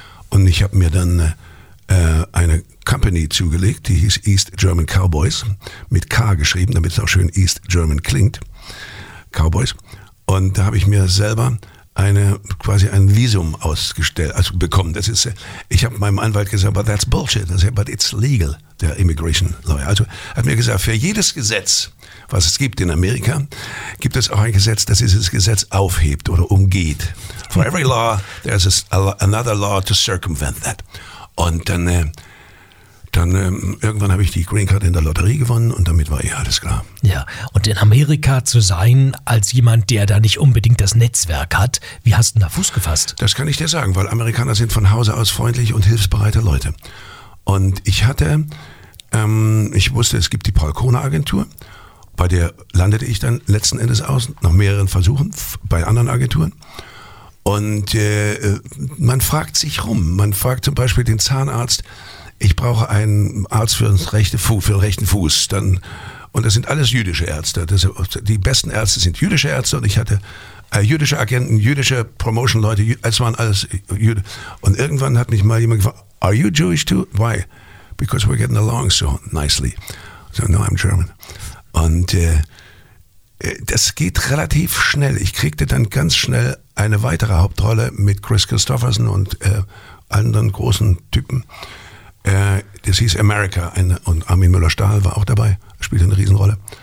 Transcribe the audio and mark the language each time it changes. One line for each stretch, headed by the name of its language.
German: Und ich habe mir dann eine Company zugelegt, die hieß East German Cowboys, mit K geschrieben, damit es auch schön East German klingt, Cowboys. Und da habe ich mir selber ein Visum ausgestellt, also bekommen. Das ist, ich habe meinem Anwalt gesagt,
English: but that's bullshit.
German: Das ist,
English: but it's legal,
German: der Immigration Lawyer. Also hat mir gesagt, für jedes Gesetz, was es gibt in Amerika, gibt es auch ein Gesetz, das dieses Gesetz aufhebt oder umgeht.
English: For every law, there's another law to circumvent that.
German: Und dann irgendwann habe ich die Green Card in der Lotterie gewonnen und damit war eh alles klar. Ja, und in Amerika zu sein, als jemand, der da nicht unbedingt das Netzwerk hat, wie hast du da Fuß gefasst? Das kann ich dir sagen, weil Amerikaner sind von Hause aus freundlich und hilfsbereite Leute. Und ich hatte, ich wusste, es gibt die Paul Kona Agentur, bei der landete ich dann letzten Endes aus, nach mehreren Versuchen bei anderen Agenturen. Und man fragt sich rum, man fragt zum Beispiel den Zahnarzt, ich brauche einen Arzt für den rechten Fuß. Dann, und das sind alles jüdische Ärzte. Die besten Ärzte sind jüdische Ärzte. Und ich hatte jüdische Agenten, jüdische Promotion-Leute. Es waren alles Jüde. Und irgendwann hat mich mal jemand gefragt,
English: are you Jewish too? Why? Because we're getting along so nicely. So, no, I'm German.
German: Und das geht relativ schnell. Ich kriegte dann ganz schnell eine weitere Hauptrolle mit Chris Christopherson und anderen großen Typen. Das hieß America und Armin Müller-Stahl war auch dabei, spielte eine Riesenrolle.